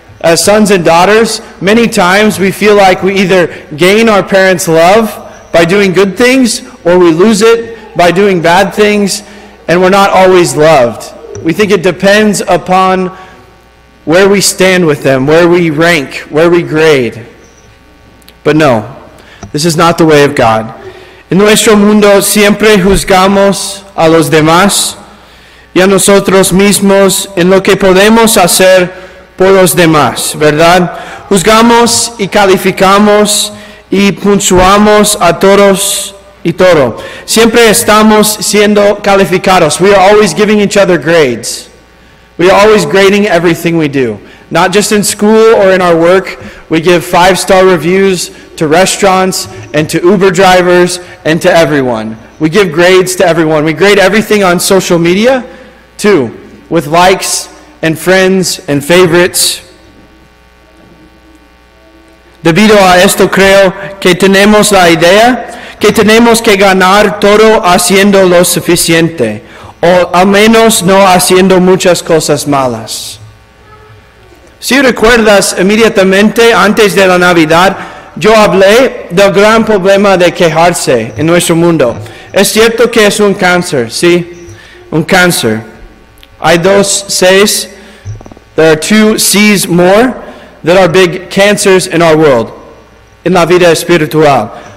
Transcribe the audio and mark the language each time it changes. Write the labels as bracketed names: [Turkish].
[English] As sons and daughters, many times we feel like we either gain our parents' love by doing good things, or we lose it by doing bad things, and we're not always loved. We think it depends upon where we stand with them, where we rank, where we grade. But no, this is not the way of God. [Spanish] En nuestro mundo siempre juzgamos a los demás y a nosotros mismos en lo que podemos hacer por los demás, ¿verdad? Juzgamos y calificamos y puntuamos a todos y todo. Siempre estamos siendo calificados. [English] We are always giving each other grades. We are always grading everything we do. Not just in school or in our work. We give 5-star reviews to restaurants and to Uber drivers and to everyone. We give grades to everyone. We grade everything on social media too, with likes and friends and favorites. [Spanish] Debido a esto, creo que tenemos la idea que tenemos que ganar todo haciendo lo suficiente, o al menos no haciendo muchas cosas malas. Si recuerdas, inmediatamente antes de la Navidad, yo hablé del gran problema de quejarse en nuestro mundo. Es cierto que es un cáncer, ¿sí? Un cáncer. Hay dos C's, [English] there are two C's more, that are big cancers in our world, [Spanish] en la vida espiritual.